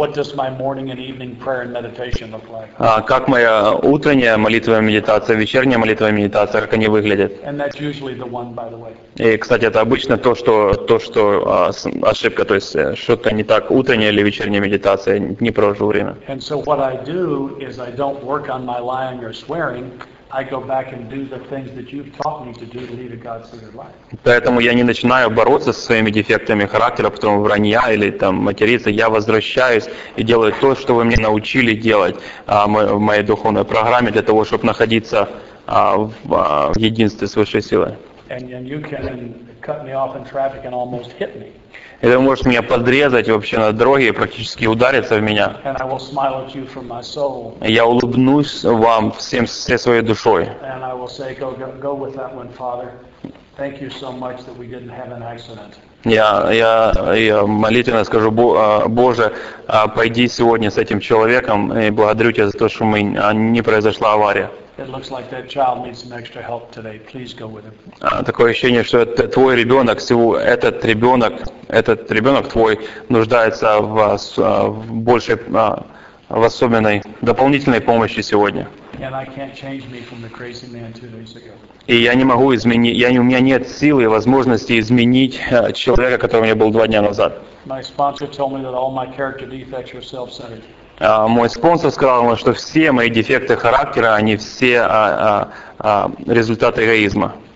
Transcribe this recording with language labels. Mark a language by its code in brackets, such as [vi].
[en] What does my morning and evening prayer and meditation look like? [ru] Как моя утренняя молитва и медитация, вечерняя молитва и медитация, как они выглядят? [en] And that's usually the one, by the way. [ru] И, кстати, это обычно то, что ошибка, то есть что-то не так, утренняя или вечерняя медитация, не провожу время. [en] And so what I do is I don't work on my lying or swearing. I go back and do the things that you've taught me to do to lead a God-centered life. [ru] Поэтому я не начинаю бороться со своими дефектами характера, потом вранья или там материться. Я возвращаюсь и делаю то, что вы мне научили делать в моей духовной программе для того, чтобы находиться в единстве с высшей силой. [en] And you can cut me off in traffic and almost hit me. [ru] И вы можете меня подрезать вообще на дороге и практически удариться в меня. [en] I will smile at you from my soul. [ru] Я улыбнусь вам всей своей душой. [en] And I will say, go with that one, Father. Thank you so much that we didn't have an accident. [ru] Я молитвенно скажу: Боже, пойди сегодня с этим человеком и благодарю тебя за то, что мы не произошла авария. [en] It looks like that child needs some extra help today. Please go with him. [ru] Такое ощущение, что твой ребенок, этот ребенок твой нуждается в особенной дополнительной помощи сегодня. [en] And I can't change me from the crazy man 2 days ago. [ru] И я не могу изменить, у меня нет силы и возможности изменить человека, который у меня был 2 дня назад. [en] My sponsor told me that all my character defects are self-centered. [ru] Мой спонсор сказал мне, что все мои дефекты характера, они все результат эгоизма.